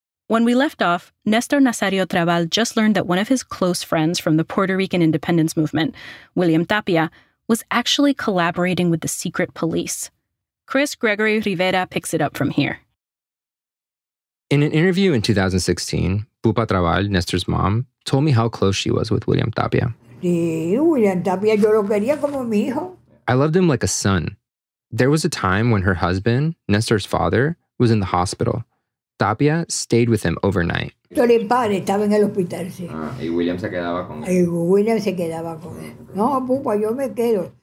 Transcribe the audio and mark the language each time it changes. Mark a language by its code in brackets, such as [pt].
[en] When we left off, Nestor Nazario Trabal just learned that one of his close friends from the Puerto Rican independence movement, William Tapia, was actually collaborating with the secret police. Chris Gregory Rivera picks it up from here. In an interview in 2016, Pupa Trabal, Nestor's mom, told me how close she was with William Tapia. [es] Sí, William Tapia, yo lo quería como mi hijo. [en] I loved him like a son. There was a time when her husband, Nestor's father, was in the hospital. Tapia stayed with him overnight. [es] Yo le padre estaba en el hospital, sí. Ah, y William se quedaba con él. Y William se quedaba con él. No, Pupa, yo me quedo.